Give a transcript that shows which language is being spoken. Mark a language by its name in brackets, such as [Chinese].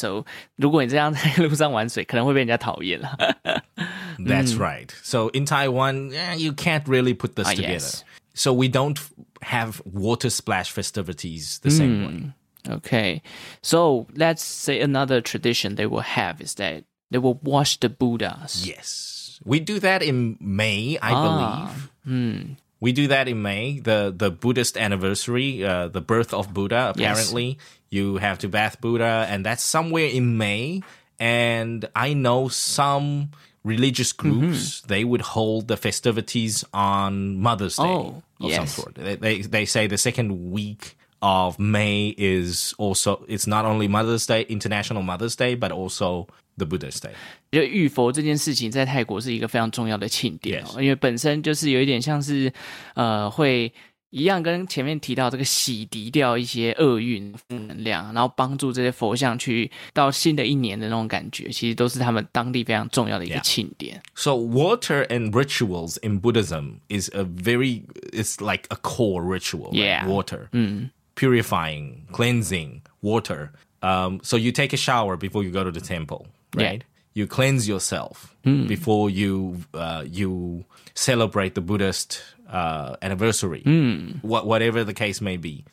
[English] So [Chinese] 如果你这样在路上玩水,可能会被人家讨厌了。 [English] That's right. So in Taiwan, you can't really put this together. Yes. So we don't have water splash festivities the same way. Okay. So let's say another tradition they will have is that they will wash the Buddhas. Yes. We do that in May, I believe. We do that in May, the Buddhist anniversary, the birth of Buddha, apparently. Yes. You have to bath Buddha, and that's somewhere in May. And I know some... religious groups, they would hold the festivities on Mother's Day some sort. They say the second week of May is also, it's not only Mother's Day, International Mother's Day, but also the Buddha's Day. [Chinese] 就浴佛这件事情在泰国是一个非常重要的庆典、 [English] yes. [Chinese] 因为本身就是有一点像是会一样跟前面提到这个洗涤掉一些厄运负能量，然后帮助这些佛像去到新的一年的那种感觉，其实都是他们当地非常重要的一个庆典。 [English] Yeah. So water and rituals in Buddhism is a very, it's like a core ritual. Yeah. Right? Water. Purifying, cleansing, water. So you take a shower before you go to the temple, right? Yeah. You cleanse yourself before you celebrate the Buddhist anniversary, whatever the case may be.